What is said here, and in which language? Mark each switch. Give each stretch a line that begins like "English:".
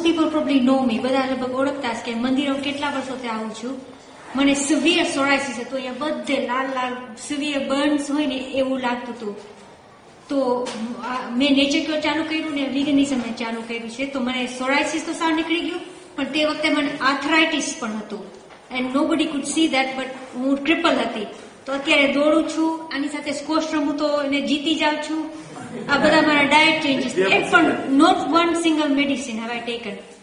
Gujarati: મંદિરો કેટલા વર્ષો થી આવું છું, મને સિવિયર સોરાયસિસ હતું. અહીંયા બધે લાલ લાલ સિવિયર બર્ન્સ હોય ને એવું લાગતું હતું. તો મેં નેચર ચાલુ કર્યું ને વિગનિઝમ ચાલુ કર્યું છે, તો મને સોરાયસિસ તો સાવ નીકળી ગયું, પણ તે વખતે મને આર્થરાઇટિસ પણ હતું.
English: And nobody could see that, but
Gujarati: હું ક્રિપલ હતી. તો અત્યારે દોડું છું, આની સાથે સ્કોશ રમું તો એને જીતી જાઉં છું. આ બધા મારા ડાયટ ચેન્જીસ. એક પણ
English: Not one single medicine have I taken.